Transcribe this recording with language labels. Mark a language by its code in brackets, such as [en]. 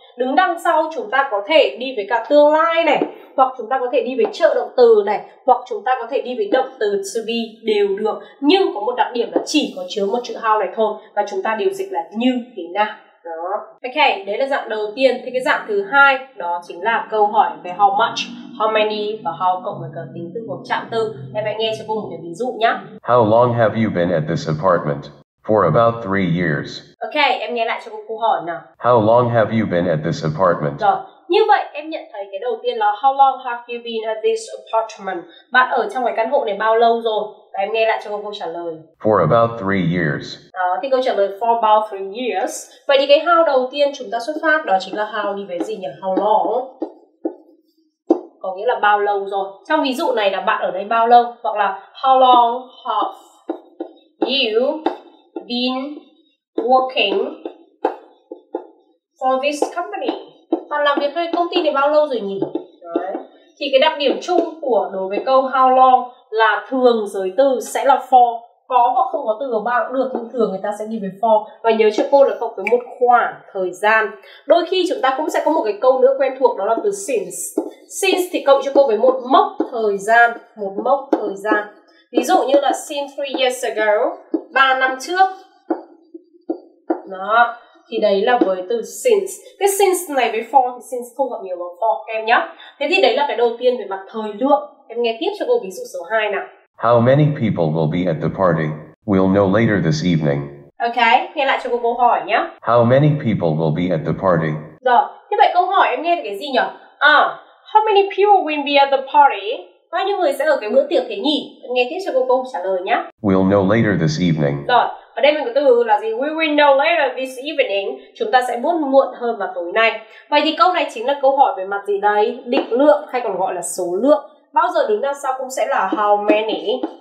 [vi] Đứng đằng sau chúng ta có thể đi với cả tương lai này, hoặc chúng ta có thể đi với trợ động từ này, hoặc chúng ta có thể đi với động từ to be đều được. Nhưng có một đặc điểm là chỉ có chứa một chữ how này thôi, và chúng ta đều dịch là như thế nào. Đó. Ok, đấy là dạng đầu tiên. Thì cái dạng thứ hai đó chính là câu hỏi về [en] how much, how many [vi] và how cộng với cả tính từ hoặc trạng từ. Em hãy nghe cho cô một cái ví dụ nhé. [en] How long have you been at this apartment? For about 3 years. [vi] Ok, em nghe lại cho cô câu hỏi nào. [en] How long have you been at this apartment? [vi] Rồi, như vậy em nhận thấy cái đầu tiên là [en] how long have you been at this apartment? [vi] Bạn ở trong cái căn hộ này bao lâu rồi? Và em nghe lại cho cô câu trả lời. [en] For about 3 years. [vi] Đó, thì câu trả lời [en] for about 3 years. [vi] Vậy thì cái how đầu tiên chúng ta xuất phát đó chính là how đi với gì nhỉ? [en] How long? [vi] Có nghĩa là bao lâu rồi. Trong ví dụ này là bạn ở đây bao lâu? Hoặc là [en] how long have you been working for this company? [vi] Bạn làm việc với công ty này bao lâu rồi nhỉ? Đấy. Thì cái đặc điểm chung của đối với câu how long là thường giới từ sẽ là for. Có hoặc không có từ ở bao cũng được, nhưng thường người ta sẽ đi về for. Và nhớ cho cô là cộng với một khoảng thời gian. Đôi khi chúng ta cũng sẽ có một cái câu nữa quen thuộc, đó là từ since. Since thì cộng cho cô với một mốc thời gian. Một mốc thời gian. Ví dụ như là [en] since 3 years ago, [vi] 3 năm trước. Đó. Thì đấy là với từ since. Cái since này với for thì since không gặp nhiều bằng for em nhé. Thế thì đấy là cái đầu tiên về mặt thời lượng. Em nghe tiếp cho cô ví dụ số 2 nào. [en] How many people will be at the party? We'll know later this evening. [vi] Ok, nghe lại cho cô câu hỏi nhé. [en] How many people will be at the party? [vi] Rồi, thế vậy câu hỏi em nghe cái gì nhỉ? [en] À, how many people will be at the party? [vi] Bao nhiêu người sẽ ở cái bữa tiệc thế nhỉ? Nghe tiếp cho cô trả lời nhé. [en] We'll know later this evening. [vi] Rồi, ở đây mình có từ là gì? [en] We will know later this evening. [vi] Chúng ta sẽ biết muộn hơn vào tối nay. Vậy thì câu này chính là câu hỏi về mặt gì đấy? Định lượng hay còn gọi là số lượng. Bao giờ đứng đằng sau cũng sẽ là [en] how many.